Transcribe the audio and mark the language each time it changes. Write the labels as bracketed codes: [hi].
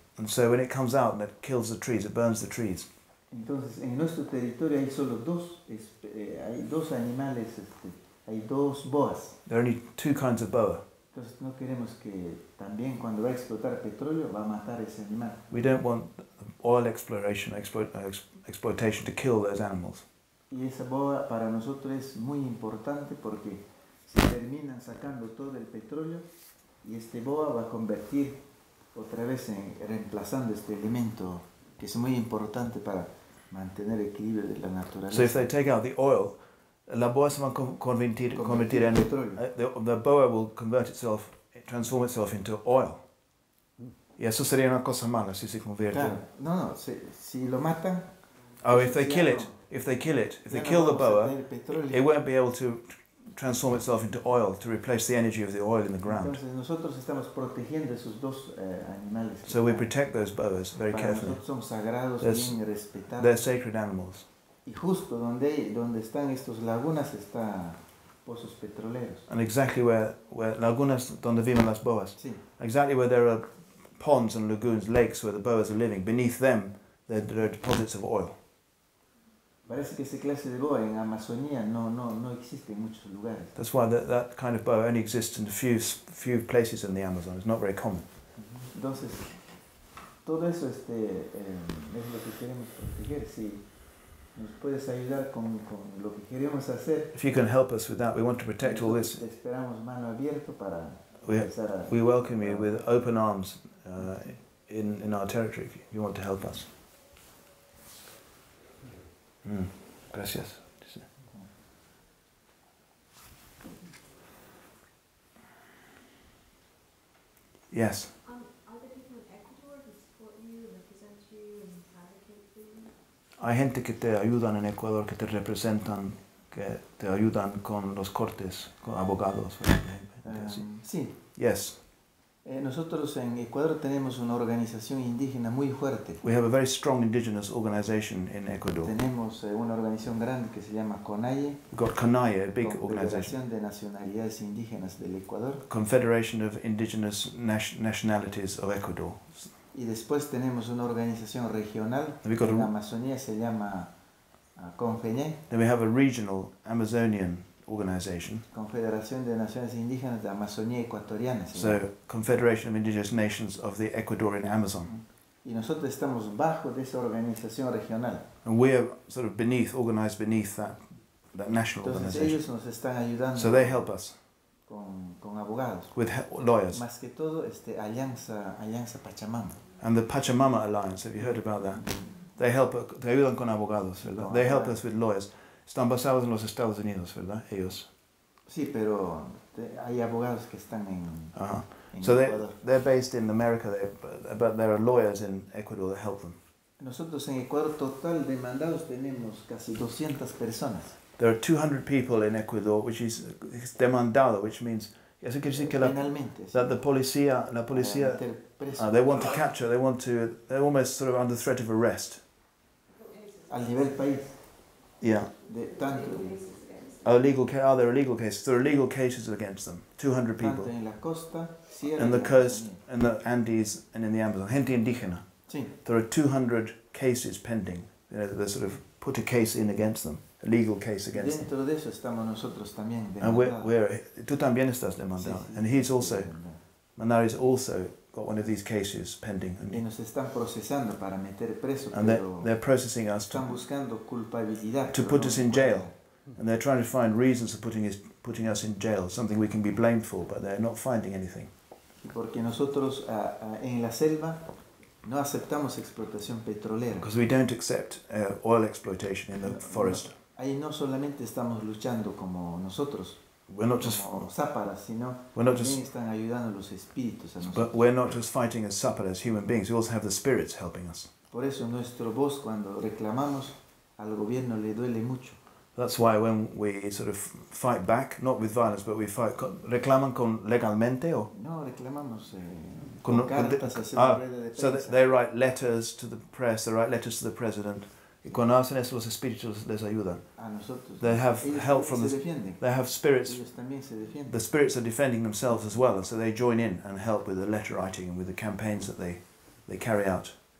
[en] And so when it comes out and it kills the trees, it burns the trees. [es] Entonces, en nuestro territorio hay solo dos animales, este, hay dos boas. [en] There are only two kinds of boa. [es] Entonces no queremos que también cuando va a explotar petróleo va a matar ese animal. [en] We don't want oil exploration, exploitation to kill those animals. [es] Y esa boa para nosotros es muy importante porque se termina sacando todo el petróleo y este boa va a convertir otra vez en reemplazando este elemento que es muy importante para mantener el equilibrio de la naturaleza. [en] So if they take out the oil, [es] la boa se va a convertir en petróleo. [en] The boa will convert itself, transform itself into oil. [es] Y eso sería una cosa mala si se convierte. Claro. No, no, si lo matan. [en] Oh, if they kill the boa, it won't be able to transform itself into oil to replace the energy of the oil in the ground. [es] Entonces nosotros estamos protegiendo esos dos animales. [en] So we protect those boas very carefully. [es] Son sagrados, bien respetados. [en] They're sacred animals. [es] Y justo donde están estos lagunas está pozos petroleros. [en] And exactly where [es] lagunas donde viven las boas. Sí. [en] Exactly where there are ponds and lagoons, lakes where the boas are living. Beneath them, there are deposits of oil. [es] Parece que esa clase de boa en Amazonía no existe en muchos lugares. [en] That's why that kind of boa only exists in a few places in the Amazon. It's not very common. [es] Entonces, todo eso es lo que queremos proteger. Si nos puedes ayudar con lo que queremos hacer. [en] If you can help us with that, we want to protect all this. [es] Te esperamos mano abierto para empezar a... [en] We welcome you with open arms in our territory if you want to help us. [es] Gracias. [en] Yes. Are there people in Ecuador who support you, represent you, and advocate for you? [es] Hay gente que te ayudan en Ecuador, que te representan, que te ayudan con los cortes, con abogados. Sí. [en] Yes. [es] Nosotros en Ecuador tenemos una organización indígena muy fuerte. [en] We have a very strong indigenous organization in Ecuador. [es] Tenemos una organización grande que se llama CONAIE. [en] We've got CONAIE, a big organization. [es] Confederación de Nacionalidades Indígenas del Ecuador. [en] Confederation of Indigenous Nationalities of Ecuador. [es] Y después tenemos una organización regional en Amazonía se llama CONFENIE. [en] Then we have a regional Amazonian organization. [es] Confederación de Naciones Indígenas de Amazonía Ecuatoriana. ¿Sí? [en] So, Confederation of Indigenous Nations of the Ecuadorian Amazon. [es] Y nosotros estamos bajo de esa organización regional. [en] And we are sort of organized beneath that national [es] Entonces, [en] organization. [es] Entonces ellos nos están ayudando. [en] So they help us. [es] Con abogados. [en] With lawyers. [es] Más que todo, Alianza Pachamama. [en] And the Pachamama Alliance, have you heard about that? They [es] ayudan con abogados, ¿verdad? Con [en] they help us with lawyers. [es] Están basados en los Estados Unidos, ¿verdad? Ellos. Sí, pero hay abogados que están en [en] So they're based in America, but there are lawyers in Ecuador that help them. [es] Nosotros en Ecuador total demandados tenemos casi 200 personas. [en] There are 200 people in Ecuador, which is demandado, which means [es] eso quiere decir que la policía [en] they want to they're almost sort of under threat of arrest. [es] Al nivel país. [en] Yeah. [es] De tanto [en] Are there illegal cases? There are legal cases against them. 200 people. [es] En la costa, [en] in the coast, in the Andes, and in the Amazon. [es] Gente indígena. Sí. [en] There are 200 cases pending. You know, they sort of put a case in against them. A legal case against [es] dentro [en] them. [es] De eso estamos nosotros también demandados. [en] And we're, [es] tú también estás demandado. Sí, sí, [en] and he's also, Manari's also got one of these cases pending. [es] Y nos están procesando para meter preso, [en] and they're processing us [es] están buscando culpabilidad, [en] to put us in jail. And they're trying to find reasons for putting us in jail, something we can be blamed for, but they're not finding anything. [es] Porque nosotros en la selva no aceptamos explotación petrolera. [en] Because we don't accept oil exploitation in the forest. [es] Ahí no solamente estamos luchando como nosotros. [en] We're not just [es] zaparas, sino [en] we're not just, [es] están ayudando los espíritus a nosotros. [en] But we're not just fighting as zaparas, human beings. We also have the spirits helping us. [es] Por eso nuestro voz cuando reclamamos al gobierno le duele mucho. [en] That's why when we sort of fight back, not with violence, but we fight, [es] reclaman con legalmente [en] or? [es] No, reclamamos con cartas a la rueda de prensa. [en] So they write letters to the press, they write letters to the president. [es] Y cuando hacen eso, los espíritus les ayudan. A nosotros. [en] They have [es] ellos [en] help from [es] se defienden. [en] They have spirits. [es] Ellos también se defienden. [en] The spirits are defending themselves as well, and so they join in and help with the letter writing and with the campaigns that they carry out.